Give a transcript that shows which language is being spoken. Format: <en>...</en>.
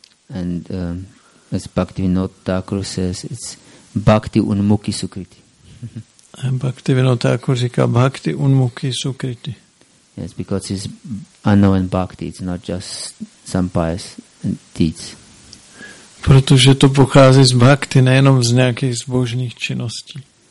<en>And as Bhaktivinoda Thakur says, it's Bhakti Unmukhi Sukriti.</en> <cs>Bhaktivinoda Thakur říká Bhakti Unmukhi Sukriti.</cs> <en>Yes, because it's unknown bhakti, it's not just some pious deeds.</en> <cs>Protože to pochází z bhakti, nejenom z nějakých zbožných činností.</cs>